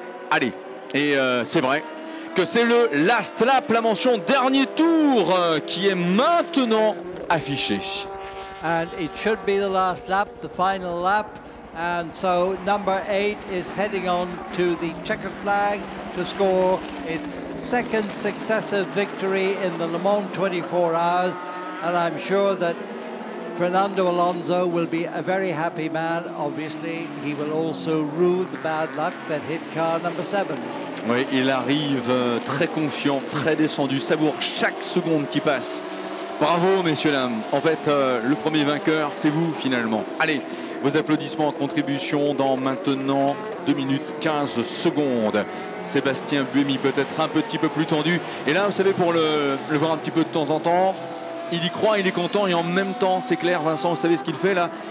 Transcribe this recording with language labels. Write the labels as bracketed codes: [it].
[fr] Allez, et c'est vrai que c'est le [en] last lap, [fr] la mention dernier tour qui est maintenant affiché. [en] And it should be the last lap, the final lap. And so number 8 is heading on to the checkered flag to score its second successive victory in the Le Mans 24 hours. And I'm sure that Fernando Alonso will be a very happy man. Obviously, he will also rue the bad luck that hit car number 7. [fr] Oui, il arrive très confiant, très descendu, savoure chaque seconde qui passe. Bravo, messieurs, dames. En fait, le premier vainqueur, c'est vous, finalement. Allez, vos applaudissements en contribution dans maintenant 2 minutes 15 secondes. Sébastien Buemi peut-être un petit peu plus tendu. Et là, vous savez, pour le voir un petit peu de temps en temps, il y croit, il est content et en même temps, c'est clair, Vincent, vous savez ce qu'il fait là?